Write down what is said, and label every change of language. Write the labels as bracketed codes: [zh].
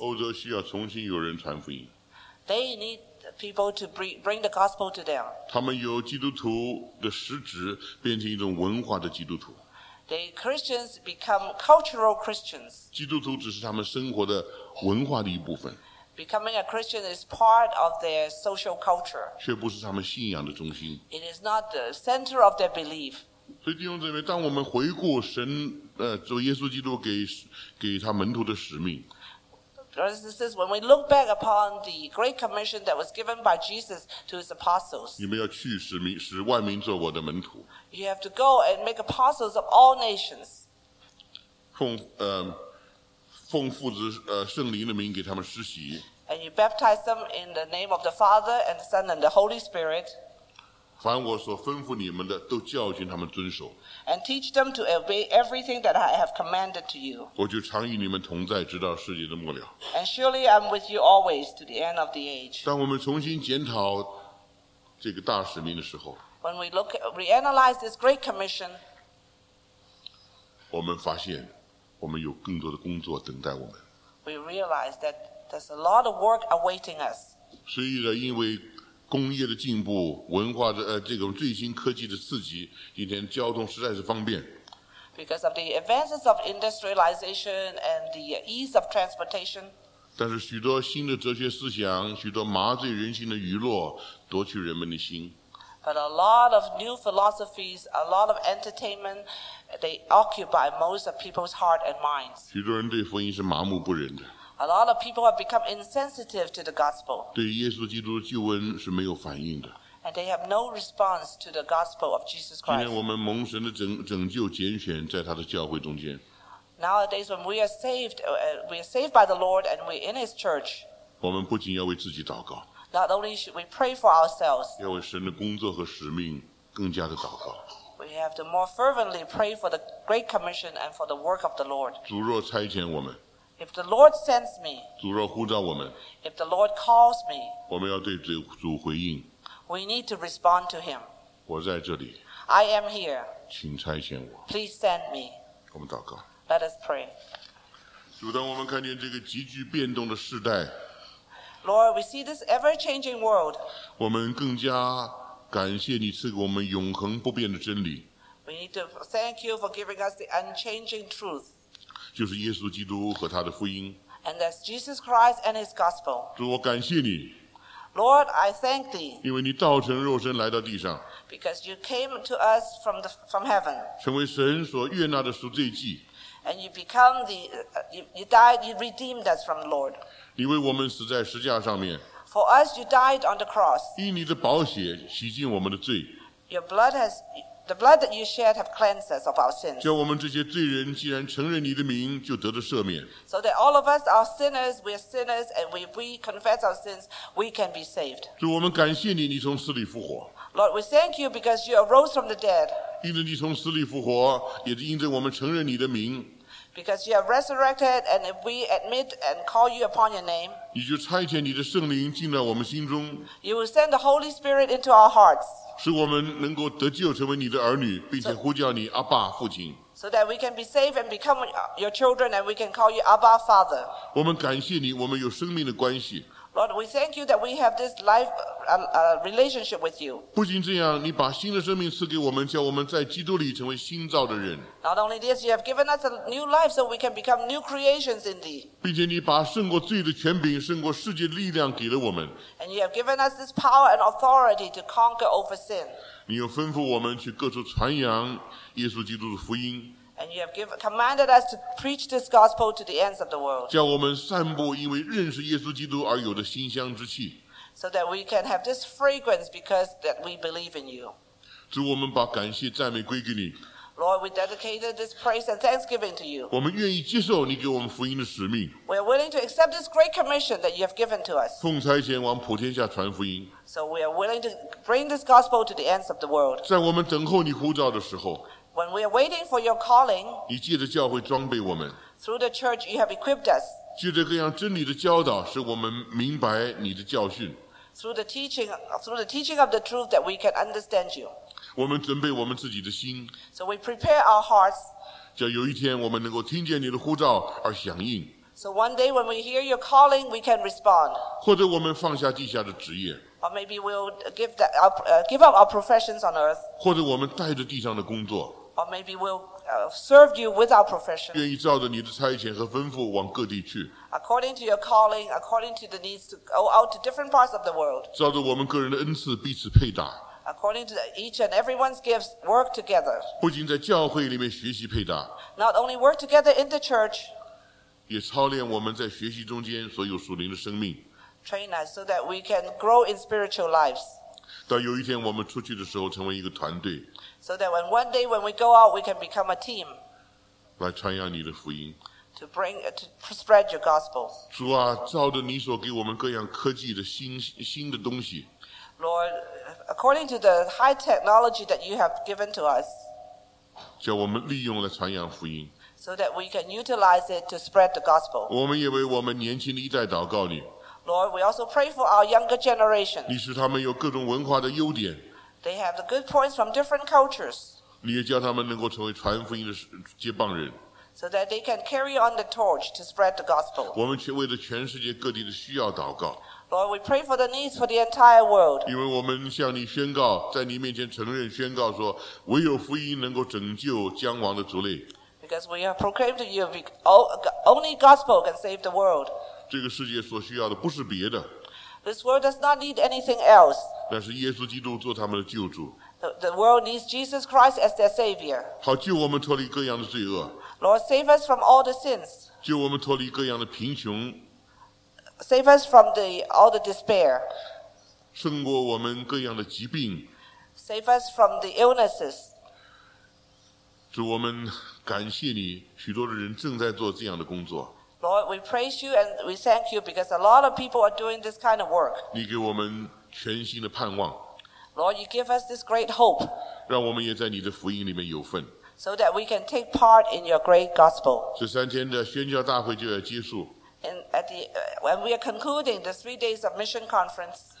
[zh] 欧洲需要重新有人传福音。 [en] They needpeople to bring the gospel to them. [zh] 他们由基督徒的实质变成一种文化的基督徒。 [en] The Christians become cultural Christians. [zh] 基督徒只是他们生活的文化的一部分。 [en] Becoming a Christian is part of their social culture. [zh] 却不是他们信仰的中心。 [en] It is not the center of their belief. [zh] 所以弟兄姊妹，当我们回顾神主耶稣基督给他门徒的使命。 [en] Brothers and sisters, when we look back upon the great commission that was given by Jesus to his apostles, [zh] 你们要去使万民做我的门徒。 [en] You have to go and make apostles of all nations. [zh] 奉父子圣灵的名给他们施洗。 [en] And you baptize them in the name of the Father and the Son and the Holy Spirit. [zh] 凡我所吩咐你们的，都教训他们遵守。 [en] And teach them to obey everything that I have commanded to you. [zh] 我就常与你们同在，直到世界的末了。 [en] And surely I'm with you always to the end of the age. [zh] 当我们重新检讨这个大使命的时候 [en] ，When we look, reanalyze this great commission, [zh] 我们发现我们有更多的工作等待我们。 [en] We realize that there's a lot of work awaiting us. [zh] 所以呢，因为工业的进步，文化的这种最新科技的刺激，今天交通实在是方便。 [en] Because of the advances of industrialization and the ease of transportation. [zh] 但是许多新的哲学思想，许多麻醉人心的娱乐，夺取人们的心。 [en] But a lot of new philosophies, a lot of entertainment, they occupy most of people's heart and minds. [zh] 许多人对福音是麻木不仁的。 [en] A lot of people have become insensitive to the gospel. [zh] 对耶稣基督的救恩是没有反应的。 [en] And they have no response to the gospel of Jesus Christ. [zh] 今天我们蒙神的拯救拣选，在他的教会中间。 [en] Nowadays, when we are saved by the Lord and we're in His church. [zh] 我们不仅要为自己祷告。 [en] Not only should we pray for ourselves. [zh] 要为神的工作和使命更加的祷告。 [en] We have to more fervently pray for the Great Commission and for the work of the Lord. [zh] 主若差遣我们。 [en] If the Lord sends me, [zh] 主若呼召我们, [en] if the Lord calls me, [zh] 我们要对主回应, [en] we need to respond to him. [zh] 我在这里, [en] I am here. [zh] 请差遣我, [en] please send me. [zh] 我们祷告, [en] let us pray. [zh] 主, 当我们看见这个急剧变动的世代, [en] Lord, we see this ever-changing world. [zh] 我们更加感谢你赐给我们永恒不变的真理。 [en] We need to thank you for giving us the unchanging truth. [zh] 就是耶稣基督和他的福音。 [en] And that's Jesus Christ and His gospel. [zh] 主，我感谢你。 [en] Lord, I thank thee. [zh] 因为你道成肉身来到地上。 [en] Because you came to us from heaven. [zh] 成为神所悦纳的赎罪祭。 [en] And you become the, you died, you redeemed us from the Lord. [zh] 你为我们死在十架上面。 [en] For us, you died on the cross. [zh] 因你的宝血洗净我们的罪。 [en] Your blood has... The blood that you shed have cleansed us of our sins. [zh] 叫我们这些罪人既然承认你的名，就得到赦免。 [en] So that all of us are sinners, we are sinners, and if we confess our sins, we can be saved. [zh] 主，我们感谢你，你从死里复活。 [en] Lord, we thank you because you arose from the dead. [zh] 因着你从死里复活，也是因着我们承认你的名。 [en] Because you have resurrected, and if we admit and call you upon your name, [zh] 你就差遣你的圣灵进到我们心中。 [en] You will send the Holy Spirit into our hearts. [zh] 使我们能够得救，成为你的儿女，并且呼叫你阿爸父亲。 [en] So that we can be saved and become your children, and we can call you Abba Father. [zh] 我们感谢你，我们有生命的关系。 [en] Lord, we thank you that we have this life relationship with you. [zh] 不仅这样，你把新的生命赐给我们，叫我们在基督里成为新造的人。 [en] Not only this, you have given us a new life so we can become new creations in thee. [zh] 并且你把胜过罪的权柄、胜过世界力量给了我们。 [en] And you have given us this power and authority to conquer over sin. [zh] 你又吩咐我们去各处传扬耶稣基督的福音。 [en] And you have commanded us to preach this gospel to the ends of the world. [zh] 叫我们散布因为认识耶稣基督而有的馨香之气。 [en] So that we can have this fragrance because that we believe in you. [zh] 主，我们把感谢赞美归给你。 [en] Lord, we dedicated this praise and thanksgiving to you. [zh] 我们愿意接受你给我们福音的使命。 [en] We are willing to accept this great commission that you have given to us. [zh] 奉差遣往普天下传福音。 [en] So we are willing to bring this gospel to the ends of the world. [zh] 在我们等候你呼召的时候。 [en] When we are waiting for your calling, [zh] 你借着教会装备我们。 [en] Through the church, you have equipped us. [zh] 借着各样真理的教导，使我们明白你的教训。 [en] Through the teaching of the truth, that we can understand you. [zh] 我们准备我们自己的心。 [en] So we prepare our hearts. [zh] 叫有一天我们能够听见你的呼召而响应。 [en] So one day when we hear your calling, we can respond. [zh] 或者我们放下地下的职业。 [en] Or maybe we'll give up our professions on earth. [zh] 或者我们带着地上的工作。 [en] Or maybe we'll serve you with our profession. [zh] 愿意照着你的差遣和吩咐往各地去。 [en] According to your calling, according to the needs to go out to different parts of the world. [zh] 照着我们个人的恩赐彼此配搭。 [en] According to each and everyone's gifts, work together. [zh] 不仅在教会里面学习配搭。 [en] Not only work together in the church. [zh] 也操练我们在学习中间所有属灵的生命。 [en] Train us so that we can grow in spiritual lives. [zh] 到有一天我们出去的时候成为一个团队。 [en] So that when one day when we go out, we can become a team. [zh] 来传扬你的福音。 [en] To spread your gospel. [zh] 主啊，照着你所给我们各样科技的新的东西。 [en] Lord, according to the high technology that you have given to us. [zh] 叫我们利用来传扬福音。 [en] So that we can utilize it to spread the gospel. [zh] 我们也为我们年轻的一代祷告你。 [en] Lord, we also pray for our younger generation. [zh] 你使他们有各种文化的优点。 [en] They have the good points from different cultures. [zh] 你也叫他们能够成为传福音的接棒人。 [en] So that they can carry on the torch to spread the gospel. [zh] 我们却为了全世界各地的需要祷告。 [en] Lord, we pray for the needs for the entire world. [zh] 因为我们向你宣告，在你面前承认宣告说，唯有福音能够拯救将亡的族类。 [en] Because we have proclaimed to you, only gospel can save the world. [zh] 这个世界所需要的不是别的。 [en] This world does not need anything else. [zh] 但是耶稣基督做他们的救主。 [en] The world needs Jesus Christ as their savior. [zh] 好救我们脱离各样的罪恶。 [en] Lord, save us from all the sins. [zh] 救我们脱离各样的贫穷。 [en] Save us from all the despair. [zh] 胜过我们各样的疾病。 [en] Save us from the illnesses. [zh] 主，我们感谢你，许多的人正在做这样的工作。 [en] Lord, we praise you and we thank you because a lot of people are doing this kind of work. [zh] 你给我们全新的盼望。 [en] Lord, you give us this great hope. [zh] 让我们也在你的福音里面有份。 [en] So that we can take part in your great gospel. [zh] 这三天的宣教大会就要结束。 [en] And at the, when we are concluding the 3 days of mission conference.